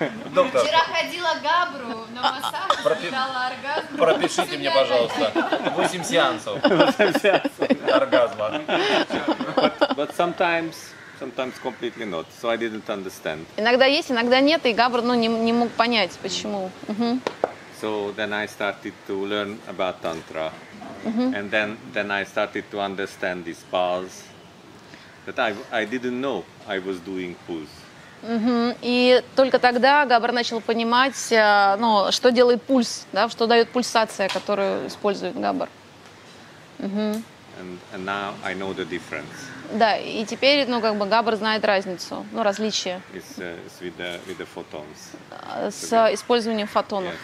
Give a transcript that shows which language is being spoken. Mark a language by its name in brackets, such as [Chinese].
[Russian] Вчера ходила Габру на массаж, дала оргазм. Пропишите мне, пожалуйста, 8 сеансов. Оргазма. [English] But sometimes completely not, so I didn't understand. [Russian] Иногда есть, иногда нет, и Габр ну не мог понять, почему. [English] So then I started to learn about tantra, and then I started to understand these pulses that I didn't know I was doing pulse. [Russian] И только тогда Габр начал понимать, ну что делает пульс, да, что дает пульсация, которую использует Габр. [English] And now I know the difference. [Russian] Да, и теперь, ну, как бы Габр знает разницу, ну, различие. [English] It's with the photons. [Russian] С использованием фотонов.